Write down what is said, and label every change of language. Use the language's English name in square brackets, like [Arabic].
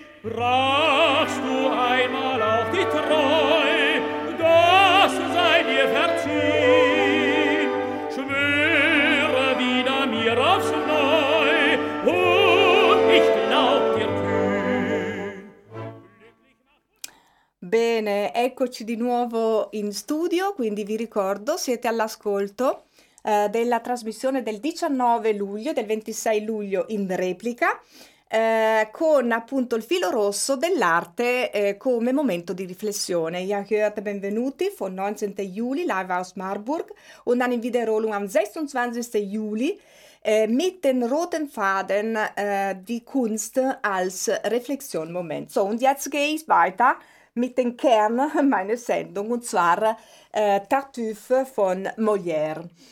[German] Brachst du einmal auch die Treu, das sei dir verziehen. Schwöre wieder mir aufs Neu, und ich glaub dir kühn. [Italian] Bene, eccoci di nuovo in studio, quindi vi ricordo, siete all'ascolto della trasmissione del 19 luglio, del 26 luglio in replica, con appunto il filo rosso dell'arte come momento di riflessione. [German] Ja, gehört, benvenuti, von 19. Juli, live aus Marburg, und dann in Wiederholung am 26. Juli, mit den roten Faden die Kunst als Reflexionmoment. So, und jetzt gehe ich weiter mit dem Kern meiner Sendung, und zwar Tartuffe von Molière.